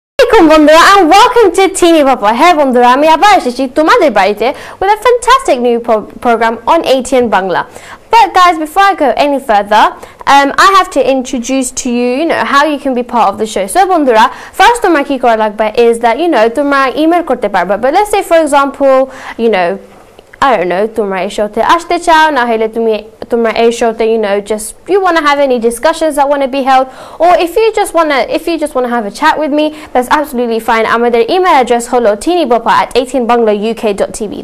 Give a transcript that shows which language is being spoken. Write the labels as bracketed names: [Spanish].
[English] Hello বন্ধুরা, and welcome to Teenybopper. Hey বন্ধুরা, [Bangla] আমি আবার এসেছি তোমাদের বাড়িতে [English] with a fantastic new program on ATN Bangla. But guys, before I go any further, I have to introduce to you, you know, how you can be part of the show. [Bangla] So বন্ধুরা, first তোমরা কি করা লাগবে [English] is that, you know, [Bangla] তোমরা email করতে পারবে. [English] But let's say, for example, you know, I don't know, [Bangla] তোমরা এই শোতে আসতে চাও, না হলে তোমরা এই শোতে, [English] you know, just you want to have any discussions that want to be held, or if you just want to have a chat with me, that's absolutely fine. Our email address holo teenybopper@18bangla.uk.tv.